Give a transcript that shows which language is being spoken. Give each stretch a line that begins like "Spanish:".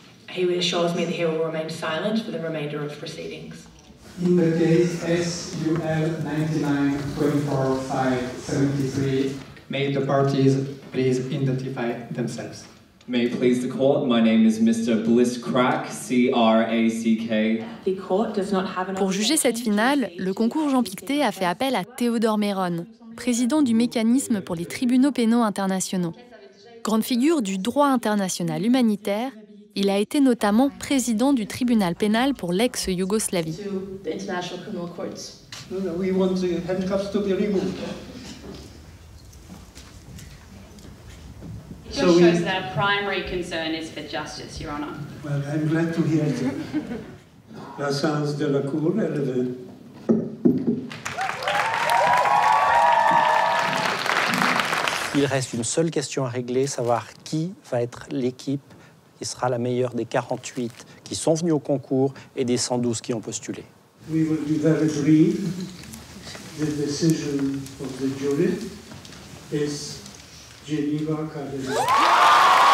English: He assures me that he will remain silent for the remainder of proceedings. In the case SUL 99-24573, may the parties please identify themselves. May it please the court, my name is Mr. Bliss Crack, C-R-A-C-K.
French: Pour juger cette finale, le concours Jean Pictet a fait appel à Théodore Méron, président du mécanisme pour les tribunaux pénaux internationaux. Grande figure du droit international humanitaire, il a été notamment président du tribunal pénal pour l'ex-Yougoslavie.
English: It just shows that our primary concern is for justice, Your Honor. Well, I'm glad to hear that.
French: La séance de la cour est levée. Il reste une seule question à régler, savoir qui va être l'équipe qui sera la meilleure des 48 qui sont venus au concours et des 112 qui ont postulé.
English: We will be very brief. The decision of the jury is Geneva Cardinal.